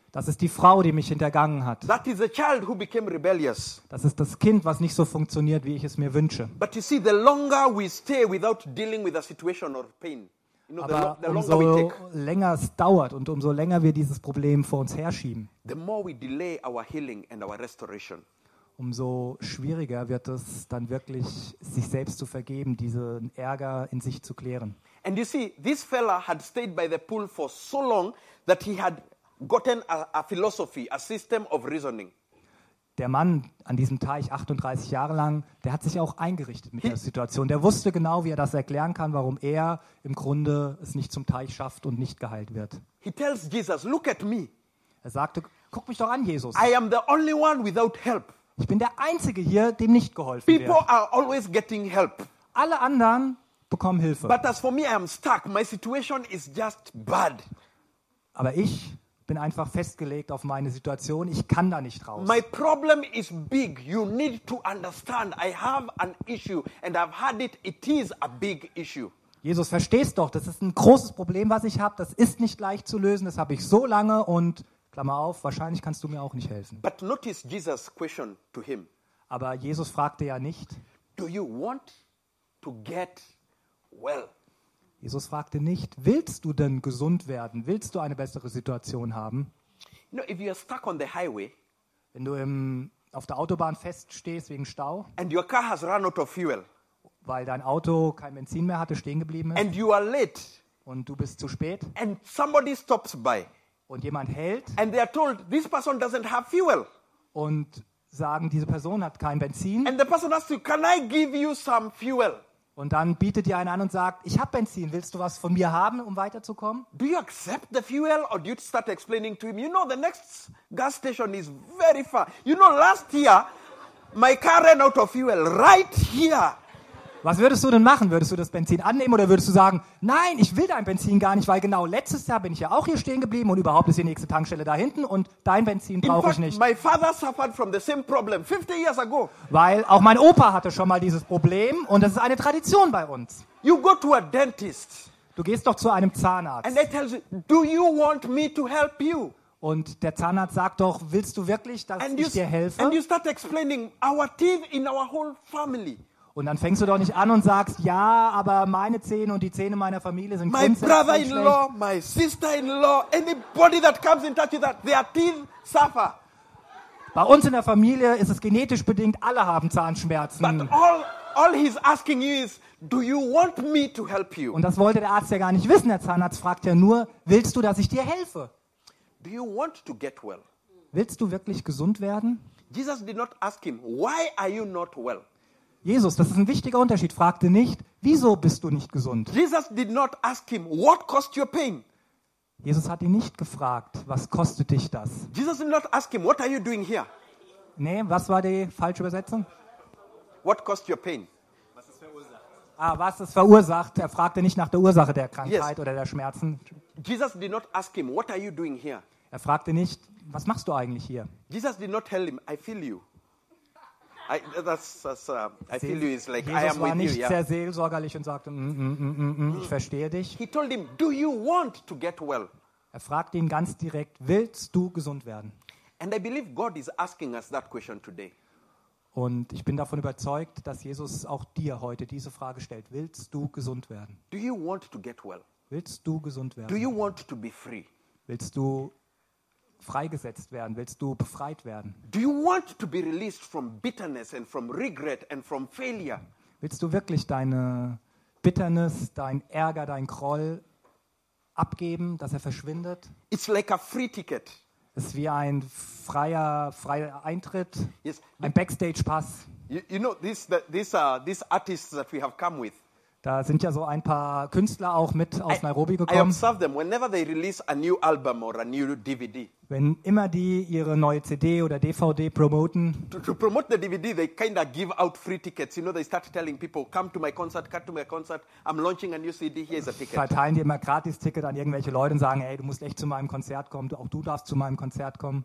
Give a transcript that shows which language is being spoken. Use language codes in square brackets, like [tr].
[de] Das ist die Frau, die mich hintergangen hat. [en] That is the child who became rebellious. [de] Das ist das Kind, was nicht so funktioniert, wie ich es mir wünsche. [en] But you see, the longer we stay without dealing with a situation or pain, you know, [de] umso länger es dauert und umso länger wir dieses Problem vor uns herschieben, [en] the more we delay our healing and our restoration. [de] Umso schwieriger wird es dann wirklich, sich selbst zu vergeben, diesen Ärger in sich zu klären. [en] And you see, this fella had stayed by the pool for so long that he had gotten a philosophy, a system of reasoning. [de] Der Mann an diesem Teich 38 Jahre lang, der hat sich auch eingerichtet mit der Situation. Der wusste genau, wie er das erklären kann, warum er im Grunde es nicht zum Teich schafft und nicht geheilt wird. [en] He tells Jesus, look at me. [de] Er sagte, guck mich doch an, Jesus. [en] I am the only one without help. [de] Ich bin der Einzige hier, dem nicht geholfen wird. [en] People are always getting help. [de] Alle anderen bekommen Hilfe. [en] But as for me, I am stuck. My situation is just bad. [de] Aber ich bin einfach festgelegt auf meine Situation. Ich kann da nicht raus. [en] My problem is big. You need to understand. I have an issue and I've had it. It is a big issue. [de] Jesus, verstehst doch, das ist ein großes Problem, was ich habe. Das ist nicht leicht zu lösen. Das habe ich so lange und Klammer auf, wahrscheinlich kannst du mir auch nicht helfen. [en] But notice Jesus' question to him. [de] Aber Jesus fragte ja nicht, [en] do you want to get well? [de] Jesus fragte nicht, willst du denn gesund werden? Willst du eine bessere Situation haben? [en] You know, if you are stuck on the highway, [de] wenn du auf der Autobahn feststehst wegen Stau, [en] and your car has run out of fuel, [de] weil dein Auto kein Benzin mehr hatte, stehen geblieben ist, [en] and you are late, [de] und du bist zu spät, [en] and somebody stops by, [de] und jemand hält, [en] and they are told, this person doesn't have fuel, [de] und sagen, diese Person hat kein Benzin, [en] and the person asks you, can I give you some fuel? [de] Und dann bietet dir einer an und sagt, ich habe Benzin, willst du was von mir haben, um weiterzukommen? [en] Do you accept the fuel or do you start explaining to him, you know, the next gas station is very far. You know, last year, my car ran out of fuel right here. [de] Was würdest du denn machen? Würdest du das Benzin annehmen oder würdest du sagen, nein, ich will dein Benzin gar nicht, weil genau letztes Jahr bin ich ja auch hier stehen geblieben und überhaupt ist die nächste Tankstelle da hinten und dein Benzin brauche ich nicht. [en] My father suffered from the same problem 50 years ago. [de] Weil auch mein Opa hatte schon mal dieses Problem und das ist eine Tradition bei uns. [en] You go to a dentist. [de] Du gehst doch zu einem Zahnarzt. [en] And they tell you, do you want me to help you? [de] Und der Zahnarzt sagt doch, willst du wirklich, dass [en] and [de] ich dir helfe? [en] And you start explaining our teeth in our whole family. [de] Und dann fängst du doch nicht an und sagst, ja, aber meine Zähne und die Zähne meiner Familie sind grundsätzlich schlecht. [en] My brother-in-law, my sister-in-law, anybody that comes in touch with that, their teeth suffer. [de] Bei uns in der Familie ist es genetisch bedingt, alle haben Zahnschmerzen. [en] But all he's asking you is, do you want me to help you? [de] Und das wollte der Arzt ja gar nicht wissen. Der Zahnarzt fragt ja nur, willst du, dass ich dir helfe? [en] Do you want to get well? [de] Willst du wirklich gesund werden? [en] Jesus did not ask him, why are you not well? [de] Jesus, das ist ein wichtiger Unterschied, fragte nicht, wieso bist du nicht gesund? [en] Jesus did not ask him, what cost your pain? [de] Jesus hat ihn nicht gefragt, was kostet dich das? [en] Jesus did not ask him, what are you doing here? [de] Nee, was war die falsche Übersetzung? [en] What cost your pain? [de] Was ist verursacht? Was ist verursacht? Er fragte nicht nach der Ursache der Krankheit, [en] yes, [de] oder der Schmerzen. [en] Jesus did not ask him, what are you doing here? [de] Er fragte nicht, was machst du eigentlich hier? [en] Jesus did not tell him, I feel you. I feel you is like Jesus, I am with you. [de] War nicht sehr seelsorgerlich und sagte, ich verstehe dich. [en] He told him, do you want to get well? [de] Er fragte ihn ganz direkt, willst du gesund werden? [en] And I believe God is asking us that question today. [de] Und ich bin davon überzeugt, dass Jesus auch dir heute diese Frage stellt, willst du gesund werden? [en] Do you want to get well? [de] Willst du gesund werden? [en] Do you want to be free? [de] Willst du freigesetzt werden? Willst du befreit werden? [en] Do you want to be released from bitterness and from regret and from failure? [de] Willst du wirklich deine Bitternis, dein Ärger, dein Groll abgeben, dass er verschwindet? [en] It's like a free ticket. [de] Es ist wie ein freier Eintritt, [en] yes, [de] ein Backstage-Pass. [en] You know, these artists that we have come with. [de] Da sind ja so ein paar Künstler auch mit aus Nairobi gekommen. [en] I observe them whenever they release a new album or a new DVD. [de] Wenn immer die ihre neue CD oder DVD promoten. [en] To promote the DVD, they kind of give out free tickets. You know, they start telling people, come to my concert, come to my concert. I'm launching a new CD, here's a ticket. [de] Verteilen die immer Gratis-Ticket an irgendwelche Leute und sagen, hey, du musst echt zu meinem Konzert kommen, auch du darfst zu meinem Konzert kommen.